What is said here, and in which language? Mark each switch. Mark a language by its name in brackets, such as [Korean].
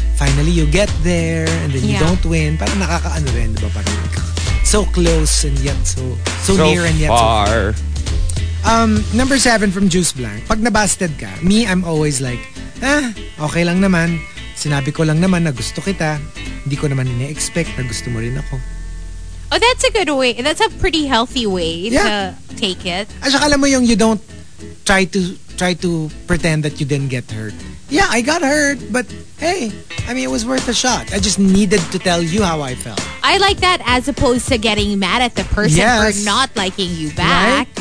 [English] finally you get there and then you don't win. [Filipino] Parang nakakaano rin, diba? [English] Parang so close and yet so near and yet far. So far. Number 7 from Juice Blanc. [Filipino] Pag nabasted ka, [English] me, I'm always like, [Filipino] okay lang naman. Sinabi ko lang naman na gusto kita. Hindi ko naman ina-expect na gusto mo rin ako. [English] Oh, that's a good way. That's a pretty healthy way to take it. [Filipino] At saka alam mo yung [English] you don't try to pretend that you didn't get hurt. Yeah, I got hurt, but hey, I mean, it was worth a shot. I just needed to tell you how I felt. I like that as opposed to getting mad at the person for not liking you back.